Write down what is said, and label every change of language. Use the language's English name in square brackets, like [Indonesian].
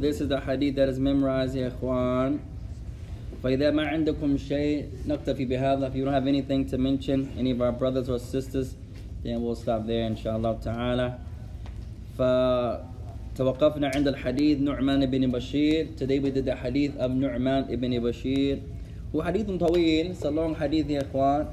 [English] This is the hadith that is memorized, [Arabic] يا إخوان. فإذا ما عندكم شيء نكتفي بهذا. [English] If you don't have anything to mention, any of our brothers or sisters, then we'll stop there, inshallah ta'ala. [Arabic] فتوقفنا عند الحديث نعمان بن بشير. [English] Today we did the hadith of نعمان بن بشير. [Arabic] هو حديث طويل. [English] It's a long hadith, [Arabic] يا إخوان.